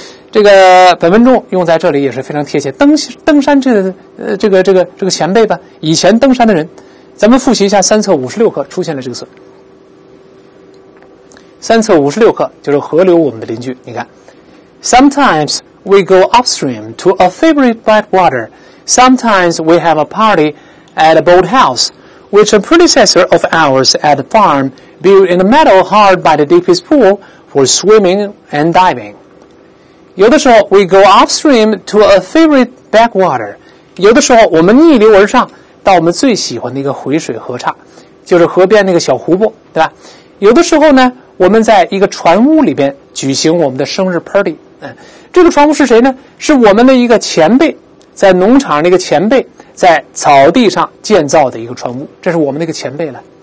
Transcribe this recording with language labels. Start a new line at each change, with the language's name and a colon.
Chinese: 这个本文中用在这里也是非常贴切。登山界的这个前辈吧，以前登山的人，咱们复习一下三册五十六课出现了这个词。三册五十六课就是河流我们的邻居。你看
English: ，Sometimes we go upstream to a favorite backwater. Sometimes we have a party at a boathouse, which a predecessor of ours at a farm built in the meadow hard by the deepest pool for swimming and diving.
Chinese: 有的时候
English: ，we go upstream to a favorite backwater.
Chinese: 有的时候我们逆流而上到我们最喜欢的一个回水河岔，就是河边那个小湖泊，对吧？有的时候呢，我们在一个船屋里边举行我们的生日 party。这个船屋是谁呢？是我们的一个前辈，在农场的一个前辈，在草地上建造的一个船屋，这是我们的一个前辈了。